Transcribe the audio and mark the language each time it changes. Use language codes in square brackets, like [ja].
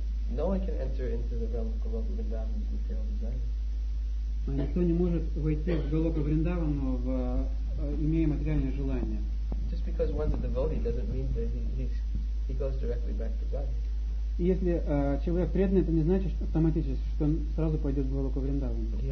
[en] No one can enter into the realm of Goloka Vrindavan until they are desired. [ru] Никто не может войти в Голока Вриндаван, имея материальное желание. [en] Just because one's a devotee doesn't mean that he goes directly back to God. [ru] Если человек преданный, это не значит что автоматически, что он сразу пойдет в Голоку Вриндаван.